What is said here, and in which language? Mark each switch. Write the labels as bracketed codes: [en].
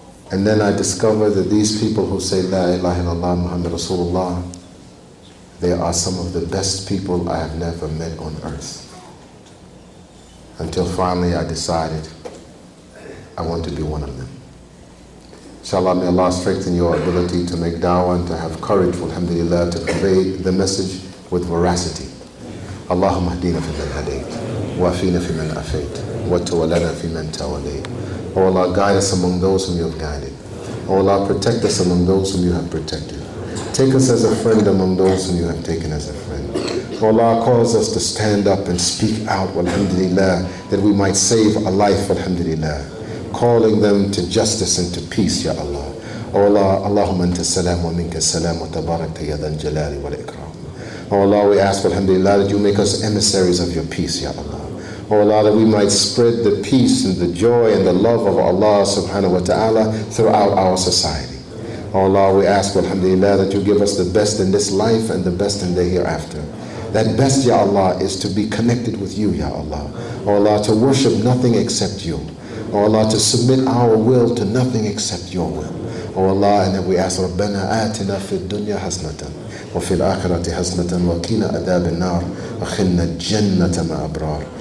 [en] And then I discover that these people who say, [ar] La ilaha illallah Muhammad Rasulullah, [en] they are some of the best people I have never met on earth. Until finally I decided I want to be one of them. Inshallah, may Allah strengthen your ability to make da'wah and to have courage, alhamdulillah, to convey the message with veracity. [ar] اللهم اهدنا في من هديت وعافنا في من عافيت وتولنا في من توليت. [en] O Allah, guide us among those whom you have guided. O Allah, protect us among those whom you have protected. Take us as a friend among those whom you have taken as a friend. O Allah, cause us to stand up and speak out, alhamdulillah, that we might save a life, alhamdulillah, calling them to justice and to peace, ya Allah. O Allah, [ar] اللهم انت السلام ومنك السلام وتباركت يا ذا الجلال والإكرام. [en] O Allah, we ask, alhamdulillah, that you make us emissaries of your peace, ya Allah. O Allah, that we might spread the peace and the joy and the love of Allah subhanahu wa ta'ala throughout our society. O Allah, we ask, alhamdulillah, that you give us the best in this life and the best in the hereafter. That best, ya Allah, is to be connected with you, ya Allah. O Allah, to worship nothing except you. O Allah, to submit our will to nothing except your will. O Allah, and then we ask, [ar] Rabbana atina fid dunya hasnatan. وفي الآخرة حسنة وقنا عذاب النار أخنا الجنة مع أبرار